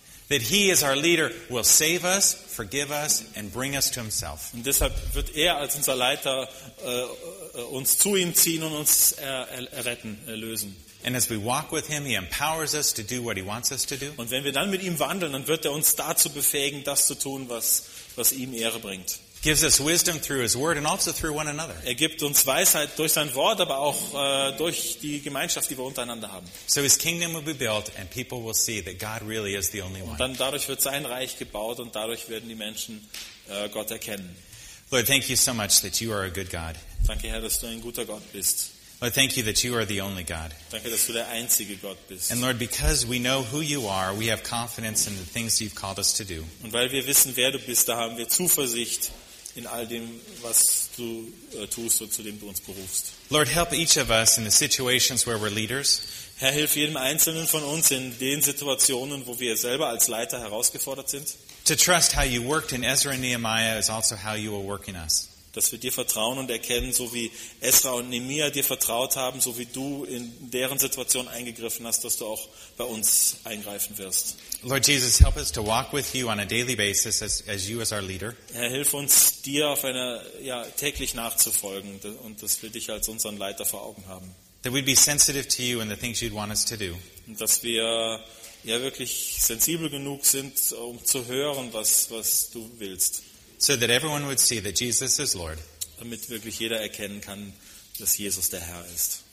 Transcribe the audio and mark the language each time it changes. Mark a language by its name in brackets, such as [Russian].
[English] That he as our leader will save us, forgive us and bring us to himself. [German] Und deshalb wird er als unser Leiter uns zu ihm ziehen und uns erretten, erlösen. [English] And as we walk with him, he empowers us to do what he wants us to do. [German] Und wenn wir dann mit ihm wandeln, dann wird er uns dazu befähigen, das zu tun, was ihm Ehre bringt. [English] Gives us wisdom through his word and also through one another. [German] Er gibt uns Weisheit durch sein Wort, aber auch durch die Gemeinschaft, die wir untereinander haben. [English] So his kingdom will be built and people will see that God really is the only one. [German] Und dann dadurch wird sein Reich gebaut und dadurch werden die Menschen Gott erkennen. [English] Lord, thank you so much that you are a good God. [German] Danke, Herr, dass du ein guter Gott bist. [English] Lord, thank you that you are the only God. [German] Danke, dass du der einzige Gott bist. [English] And Lord, because we know who you are, we have confidence in the things you've called us to do. [German] Und weil wir wissen, wer du bist, da haben wir Zuversicht in all dem, was du tust und zu dem du uns berufst. [English] Lord, help each of us in the situations where we're leaders. [German] Herr, hilf jedem einzelnen von uns in den Situationen, wo wir selber als Leiter herausgefordert sind. [English] To trust how you worked in Ezra and Nehemiah is also how you will work in us. [German] Dass wir dir vertrauen und erkennen, so wie Ezra und Nehemiah dir vertraut haben, so wie du in deren Situation eingegriffen hast, dass du auch bei uns eingreifen wirst. [English] Lord Jesus, help us to walk with you on a daily basis as you as our leader. [German] Herr, hilf uns, dir auf einer täglich nachzufolgen und dass wir dich als unseren Leiter vor Augen haben. [English] That we'd be sensitive to you and the things you'd want us to do. [German] Und dass wir wirklich sensibel genug sind, um zu hören, was du willst. [English] So that everyone would see that Jesus is Lord. [German] Damit wirklich jeder erkennen kann, dass Jesus der Herr ist.